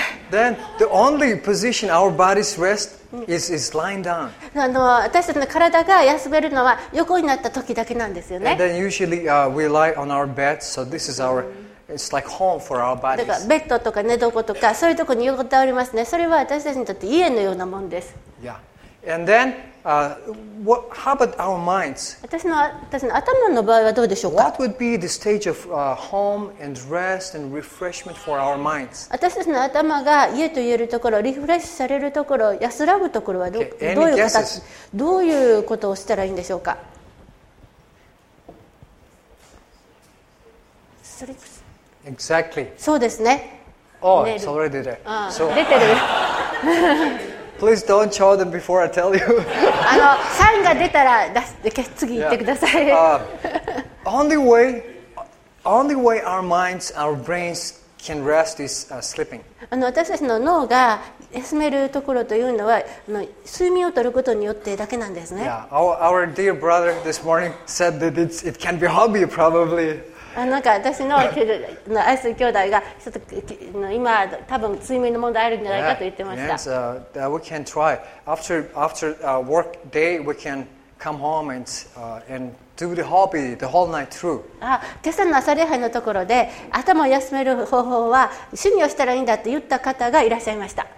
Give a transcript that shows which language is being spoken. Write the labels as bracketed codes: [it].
[en] Then the only position our bodies rest is lying down. [ja] 私たちの体が休めるのは横になった時だけなんですよね。 [en] And then usually we lie on our beds, so this is our, it's like home for our bodies. [ja] だからベッドとか寝床とかそういうところに横たわりますね。それは私たちにとって家のようなもんです。 [en] Yeah. And then, how about our minds? [ja] 私の頭の場合はどうでしょうか? [en] What would be the stage of home and rest and refreshment for our minds? [ja] 私たちの頭が家と言えるところ、リフレッシュされるところ、安らぐところはどういうことをしたらいいんでしょうか? [en] Exactly. [ja] そうですね。 [en] Oh, it's already there. So... [ja] 出てる。 [en] Please don't show them before I tell you. [ja] サインが出たら出して次行ってください。 [en] Only way our minds, our brains can rest is sleeping. [ja] 私たちの脳が休めるところというのは睡眠を取ることによってだけなんですね。 [en] Yeah. Our dear brother this morning said that it can be a hobby probably. [ja] なんか私の愛する兄弟がちょっと今多分睡眠の問題あるんじゃないかと言ってました。 [en] Yes, we can try. After work day, we can come home and do the hobby the whole night through. [ja] 今朝の朝礼拝のところで頭を休める方法は趣味をしたらいいんだと言った方がいらっしゃいました。